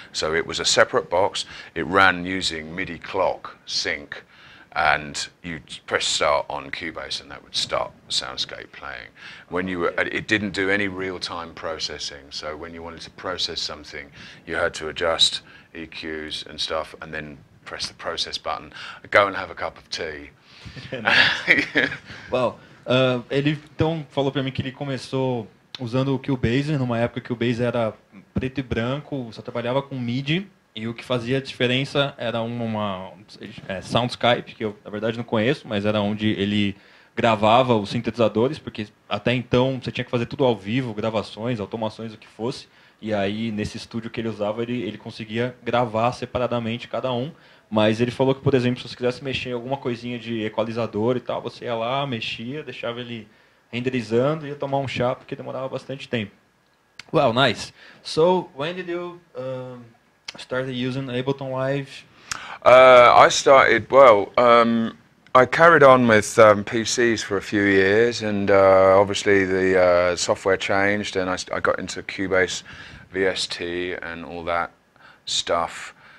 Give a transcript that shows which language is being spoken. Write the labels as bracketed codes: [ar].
[en] So it was a separate box. It ran using MIDI clock sync, and you press start on Cubase and that would start Soundscape playing. When you were, it didn't do any real-time processing, so when you wanted to process something, you had to adjust EQs and stuff and then press the process button. Go and have a cup of tea. [pt] Well, ele então falou para mim que ele começou usando o Cubase, numa época que o Cubase era preto e branco, só trabalhava com MIDI, e o que fazia diferença era Soundscape, que eu, na verdade, não conheço, mas era onde ele gravava os sintetizadores, porque até então você tinha que fazer tudo ao vivo, gravações, automações, o que fosse, e aí, nesse estúdio que ele usava, ele conseguia gravar separadamente cada um, mas ele falou que, por exemplo, se você quisesse mexer em alguma coisinha de equalizador e tal, você ia lá, mexia, deixava ele renderizando, ia tomar um chá, porque demorava bastante tempo. [en] Well, nice. So, when did you start using Ableton Live? I started, well, I carried on with PCs for a few years, and obviously the software changed, and I got into Cubase, VST, and all that stuff.